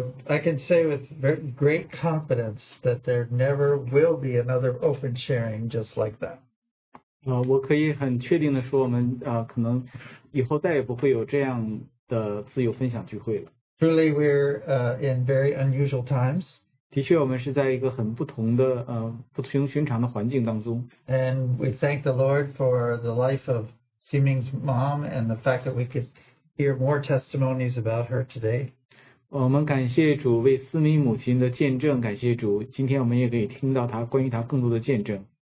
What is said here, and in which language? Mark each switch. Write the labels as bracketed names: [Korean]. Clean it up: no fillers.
[English] I can say with great confidence that there never will be another open sharing just like that. [Chinese] 我可以很确定地说我们可能以后再也不会有这样的自由分享聚会了。 [English] Truly, we're in very unusual times. [Chinese] 的确我们是在一个很不同的不寻常的环境当中。 [English] And we thank the Lord for the life of Siming's mom and the fact that we could hear more testimonies about her today. [Chinese] 我们感谢主为思敏母亲的见证，感谢主，今天我们也可以听到她关于她更多的见证。